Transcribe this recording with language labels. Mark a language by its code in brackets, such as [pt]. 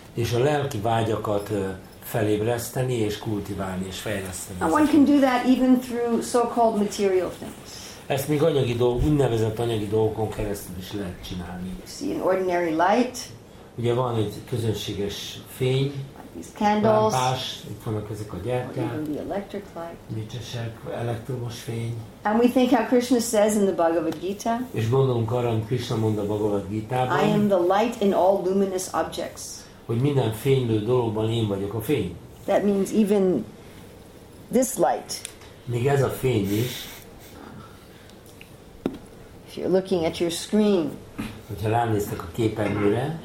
[hu] És a lelki vágyakat felébreszteni és kultiválni és fejleszteni. [en] And one can do that even through so-called material things. [hu] Ezt még anyagi úgynevezett anyagi dolgokon keresztül is lehet csinálni. [en] See an ordinary light. [hu] Ugye van egy közönséges fény. [en] These candles. [hu] Lámpás, itt vannak ezek a gyertyák. [en] Or even the electric light. [hu] Mitesek, elektromos fény. [en] And we think how Krishna says in the Bhagavad Gita. [hu] És gondolunk arra, amit Krishna mond a Bhagavad Gitában. [en] I am the light in all luminous objects. [hu] Hogy minden fénylő dologban én vagyok a fény. [en] That means even this light. [hu] Még ez a fény is. [en] If you're looking at your screen, [hu] hogyha ránéztek a képernyőre,